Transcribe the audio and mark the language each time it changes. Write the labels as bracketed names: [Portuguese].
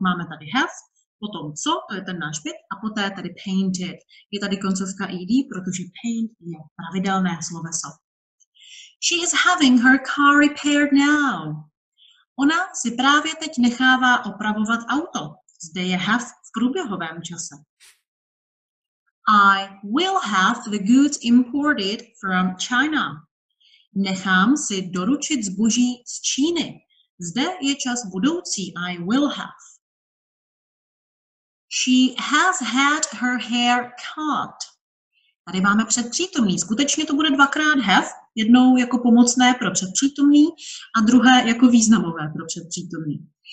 [Czech] Máme tady have, potom co, to je ten náš byt, a poté tady painted. Je tady koncovka ed, protože paint je pravidelné sloveso. [English] She is having her car repaired now. [Czech] Ona si právě teď nechává opravovat auto. Zde je have v průběhovém čase. [English] I will have the goods imported from China. [Czech] Nechám si doručit zboží z Číny. Zde je čas budoucí. [English] I will have. She has had her hair cut. [Czech] Tady máme předpřítomný. Skutečně to bude dvakrát have. Jednou jako pomocné pro předpřítomný a druhé jako významové pro předpřítomný.